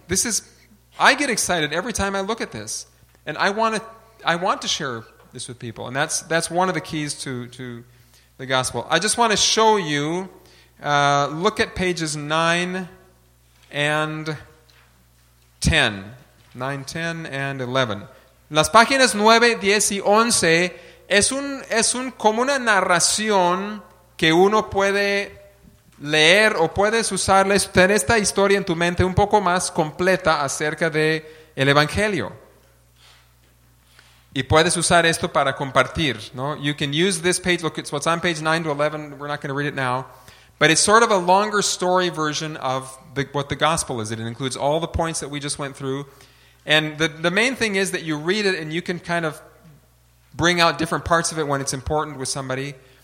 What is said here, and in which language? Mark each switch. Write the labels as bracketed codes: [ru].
[en] This is, I get excited every time I look at this. And I want to share this with people. And that's one of the keys to the Gospel. I just want to show you, look at pages 9 and 10. 9, 10, and 11. [es] Las páginas 9, 10 y 11 es un como una narración que uno puede leer o puedes usar, tener esta historia en tu mente un poco más completa acerca del Evangelio. Y puedes usar esto para compartir, ¿no? [en] You can use this page, look, it's what's on page 9 to 11, we're not going to read it now. But it's sort of a longer story version of what the Gospel is. It includes all the points that we just went through. And the main thing is that you read it and you can kind of bring out different parts of it when it's important with somebody.